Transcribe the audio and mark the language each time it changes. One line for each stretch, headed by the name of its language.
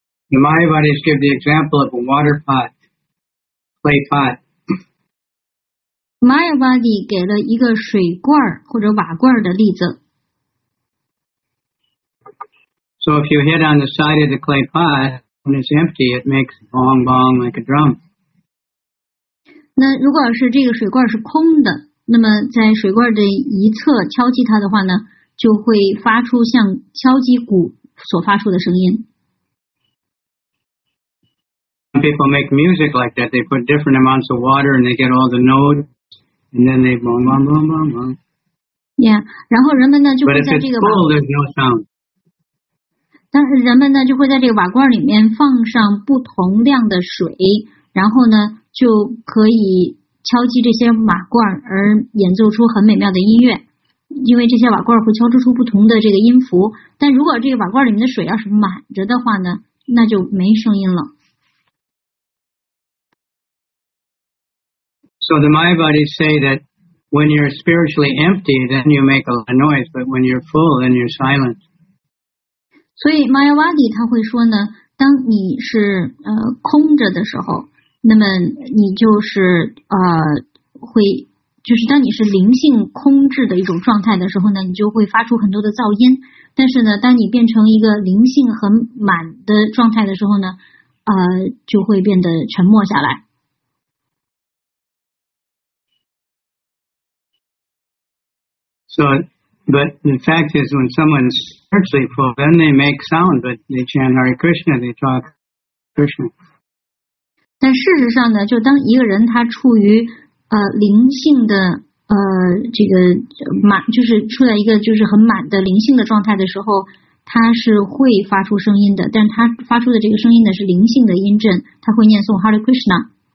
English: The Mayavadis give the example of a water pot, clay pot.
Chinese: Mayavadi 给了一个水罐或者瓦罐的例子。
English: So if you hit on the side of the clay pot,When it's empty, it makes bong bong like a drum.
Chinese: 那如果是这个水罐是空的，那么在水罐的一侧敲击它的话呢，就会发出像敲击鼓所发出的声音。
English: Some people make music like that. They put different amounts of water and they get all the notes, and then they bong bong bong bong bong.
Chinese: Yeah, 然后人们呢就会在这个。
English: But if it's full, there's no sound.
Chinese: 但是人们呢就会在这个瓦罐里面放上不同量的水，然后呢就可以敲击这些瓦罐而演奏出很美妙的音乐，因为这些瓦罐会敲击出不同的这个音符。但如果这个瓦罐里面的水要是满着的话呢，那就没声音了。
English: So the Mayavadis say that when you're spiritually empty then you make a lot of noise, but when you're full then you're silent.
Chinese: 所以 Mayavadi 他会说呢，当你是空着的时候，那么你就是会，就是当你是灵性空置的一种状态的时候呢，你就会发出很多的噪音。但是呢，当你变成一个灵性很满的状态的时候呢，就会变得沉默下来。
English: So. But the fact is, when someone's spiritually full, then they make sound, but they chant Hare Krishna, they talk Krishna.
Chinese: 但事实上呢，就当一个人他处于灵性的这个满，就是处在一个就是很满的灵性的状态的时候，他是会发出声音的。但他发出的这个声音呢，是灵性的音振，他会念诵 Hare Krishna。